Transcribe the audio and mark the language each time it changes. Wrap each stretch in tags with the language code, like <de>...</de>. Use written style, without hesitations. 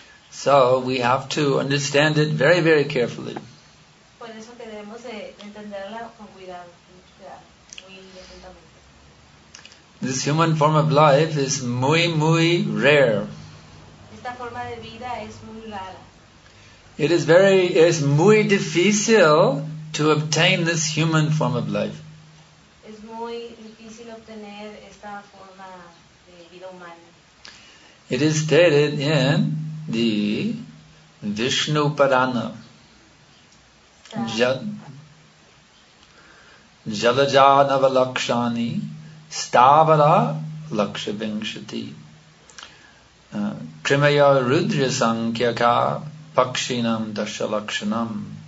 <en>So we have to understand it very, very carefully.</en> <es>Por eso debemos entenderla con cuidado, muy lentamente.</es> <en>This human form of life is</en> <es>muy, muy</es> <en>rare.</en> <es>Esta forma de vida es muy rara.</es> <en>It is very,</en> <es>es muy difícil</es> <en>to obtain this human form of life.</en> <es>Es muy difícil obtener esta forma de vida humana.</es> <en>It is stated in the Vishnu Purana.</en> <sa>Jalaja Navalakshani Stavara Lakshavinshati Krimaya Rudra Sankhyaka Pakshinam Dashalakshanam.</sa>